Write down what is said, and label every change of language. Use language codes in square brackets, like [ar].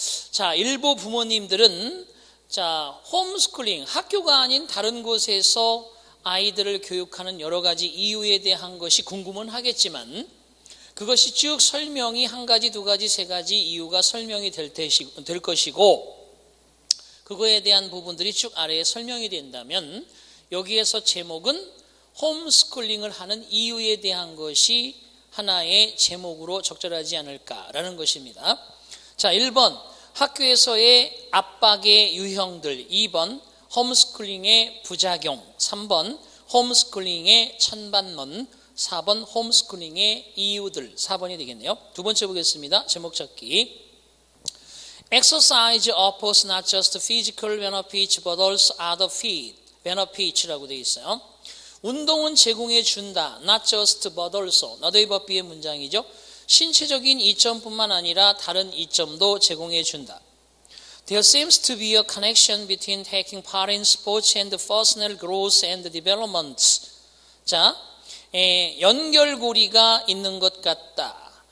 [ko] 자, 일부 부모님들은 홈스쿨링, 학교가 아닌 다른 곳에서 아이들을 교육하는 여러 가지 이유에 대한 것이 궁금은 하겠지만, 그것이 쭉 설명이 한 가지, 두 가지, 세 가지 이유가 설명이 될 것이고, 그거에 대한 부분들이 쭉 아래에 설명이 된다면, 여기에서 제목은 홈스쿨링을 하는 이유에 대한 것이 하나의 제목으로 적절하지 않을까라는 것입니다. 자, 1번 학교에서의 압박의 유형들, 2번 홈스쿨링의 부작용, 3번 홈스쿨링의 찬반론, 4번 홈스쿨링의 이유들, 4번이 되겠네요. 두 번째 보겠습니다. 제목 찾기. [en] Exercise offers not just physical benefits but also other benefits [ko] 라고 되어 있어요. 운동은 제공해 준다. [en] Not just but also. Not above B [ko] 의 문장이죠. 신체적인 이점뿐만 아니라 다른 이점도 제공해 준다. [en] There seems to be a connection between taking part in sports and personal growth and development. [ko] 자, 연결고리가 있는 것 같다.